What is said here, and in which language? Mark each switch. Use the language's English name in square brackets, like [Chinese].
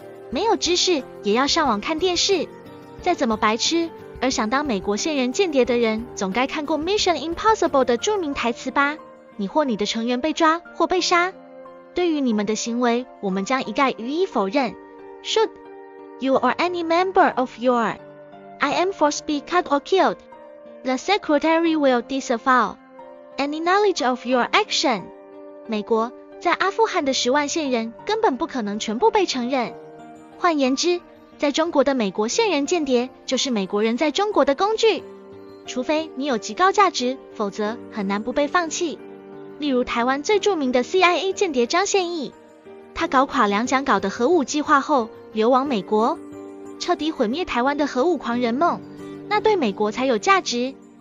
[Chinese] 没有知识也要上网看电视，再怎么白痴而想当美国线人间谍的人，总该看过 Mission Impossible 的著名台词吧，你或你的成员被抓或被杀，对于你们的行为我们将一概予以否认。 [English] Should you or any member of your IM force be cut or killed, the secretary will disavow any knowledge of your action。 [Chinese] 美国在阿富汗的十万线人根本不可能全部被承认，换言之，在中国的美国线人间谍就是美国人在中国的工具，除非你有极高价值，否则很难不被放弃。例如台湾最著名的 CIA 间谍张献义，他搞垮两蒋搞的核武计划后流亡美国，彻底毁灭台湾的核武狂人梦，那对美国才有价值。